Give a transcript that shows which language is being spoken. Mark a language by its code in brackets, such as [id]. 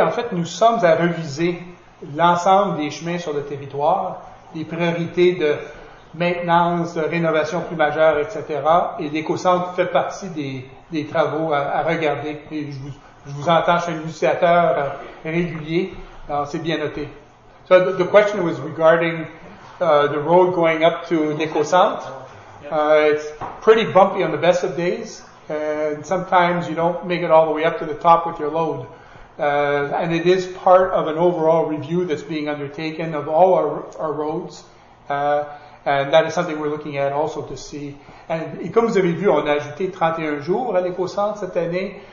[fr] En fait, nous sommes à reviser l'ensemble des chemins sur le territoire, les priorités de maintenance, de rénovation plus majeure, etc. Et l'éco-centre fait partie des travaux à regarder. Et je vous entends, je suis un initiateur régulier. Alors, c'est bien noté. [en] So, the question was regarding the road going up to l'éco-centre. It's pretty bumpy on the best of days. And sometimes you don't make it all the way up to the top with your load. And it is part of an overall review that's being undertaken of all our roads. And that is something we're looking at also to see. [fr] Et comme vous avez vu, on a ajouté 31 jours à l'éco-centre cette année.